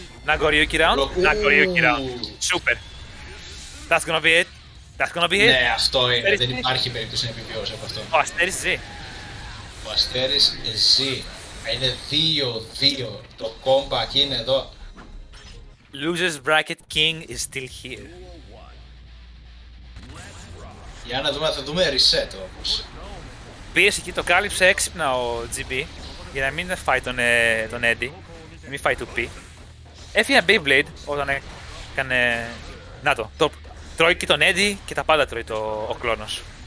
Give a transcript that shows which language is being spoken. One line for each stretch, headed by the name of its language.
English: Nagoriyuki round, Nagoriyuki round. Super. That's gonna be it. That's gonna be it.
Greek: Ναι, αυτό είναι. Δεν υπάρχει περίπτωση να επιβιώσει από αυτό. Ο Αστέρις ζει. Ο Αστέρις ζει. Είναι 2-2. Το comeback είναι εδώ.
English: Losers bracket king is still here.
Greek: Για να δούμε, θα δούμε reset όμως. Πίεση εκεί, το κάλυψε έξυπνα ο GB. Για να μην φάει τον, τον Eddie. Να μην φάει 2P. Έφυγε ένα Beyblade όταν έκανε... Να το, το τρώει και τον Eddie και τα πάντα τρώει το, ο κλόνος.